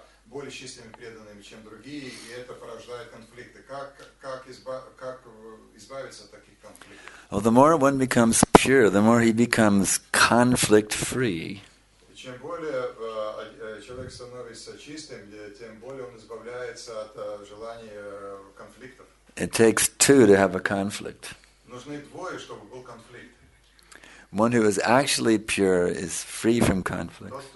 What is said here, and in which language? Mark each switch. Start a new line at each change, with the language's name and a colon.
Russian: Более численными преданными, чем другие, и это порождает конфликты. Как избавиться от таких конфликтов?
English: Well, the more one becomes pure, the more he becomes conflict-free.
Russian: Чем более человек становится чистым, тем более он избавляется от желания конфликтов.
English: It takes two to have a conflict.
Russian: Нужны двое, чтобы был конфликт.
English: One who is actually pure is free from conflict.